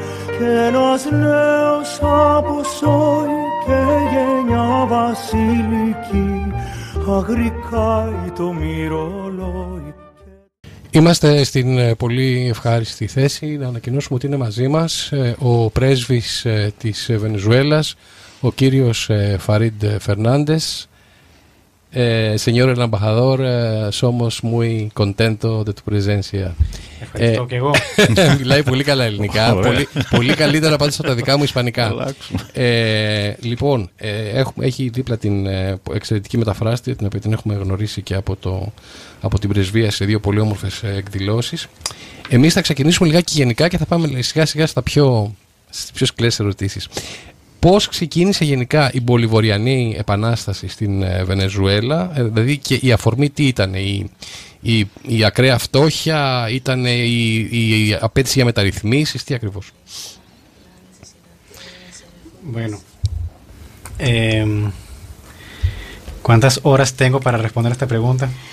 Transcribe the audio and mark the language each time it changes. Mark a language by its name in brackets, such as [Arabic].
[Greek] Κι ένας νέος από σόι και γενιά βασιλική, αγρικάει το μυρολόι. Είμαστε στην πολύ ευχάριστη θέση να ανακοινώσουμε ότι είναι μαζί μας ο πρέσβης της Βενεζουέλας, ο κύριος Φαρίντ Φερνάντες. [Spanish] Señor el embajador, somos muy contento de tu presencia. [Greek] Ευχαριστώ και εγώ. Μιλάει πολύ καλά ελληνικά, πολύ, πολύ καλύτερα πάντως από τα δικά μου ισπανικά. Λοιπόν, έχει δίπλα την εξαιρετική μεταφράστη, την οποία την έχουμε γνωρίσει και από την πρεσβεία σε δύο πολύ όμορφες εκδηλώσεις. Εμείς θα ξεκινήσουμε λιγάκι γενικά και θα πάμε σιγά σιγά στις πιο σκληρές ερωτήσεις. Πώς ξεκίνησε γενικά η Μπολιβοριανή Επανάσταση στην Βενεζουέλα, δηλαδή και η αφορμή τι ήταν, η ακραία φτώχεια, ήταν η απέτηση για μεταρρυθμίσεις, τι ακριβώς? [Spanish] Bueno, ¿cuántas horas tengo para responder esta pregunta?